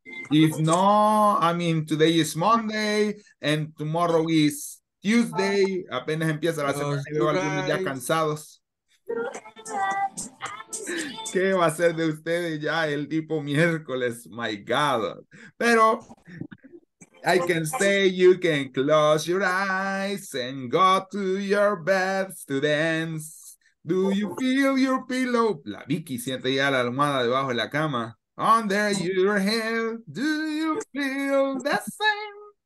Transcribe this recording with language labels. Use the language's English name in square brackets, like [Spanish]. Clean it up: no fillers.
[English] If no, I mean, today is Monday and tomorrow is Tuesday. [Spanish] Apenas empieza la semana, veo algunos ya cansados. ¿Qué va a ser de ustedes ya el tipo miércoles? [English] My God. Pero I can say you can close your eyes and go to your bed to dance. Do you feel your pillow? [Spanish] La Vicky siente ya la almohada debajo de la cama. [English] Under your head, do you feel the same?